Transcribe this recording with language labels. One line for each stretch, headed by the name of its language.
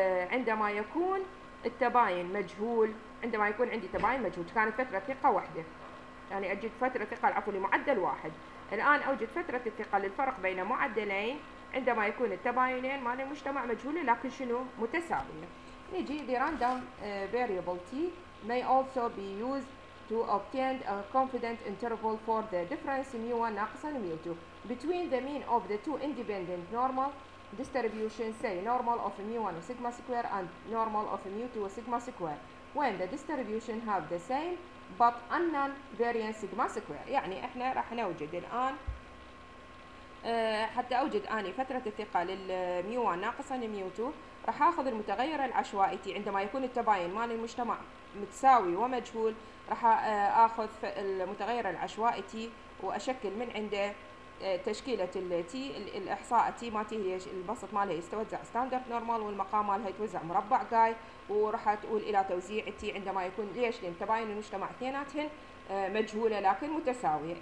Arabic: عندما يكون التباين مجهول، عندما يكون عندي تباين مجهول كانت فترة ثقة واحدة، يعني أجد فترة ثقة عفوا لمعدل واحد. الآن أوجد فترة الثقة للفرق بين معدلين عندما يكون التباينين مال المجتمع مجهولة لكن شنو متساوية. نجي
English: the random variable t may also be used to obtain a confident interval for the difference mu1
Arabic: ناقص
English: mu2 between the mean of the two independent normal distributions say normal of mu1 and sigma square and normal of mu2 and sigma square when the distribution have the same but unknown variance sigma square.
Arabic: يعني احنا راح نوجد الآن حتى أوجد أني فترة الثقة للميو 1 ناقصا للميو 2 راح اخذ المتغير العشوائي عندما يكون التباين مال المجتمع متساوي ومجهول، راح اخذ المتغير العشوائي واشكل من عنده تشكيله التي الاحصاء تي مالتي هي البسط مالها يتوزع ستاندرد نورمال، والمقام مالها يتوزع مربع جاي، وراح تقول الى توزيع تي عندما يكون ليش لان تباين المجتمع اثنيناتهن مجهولة لكن متساوية.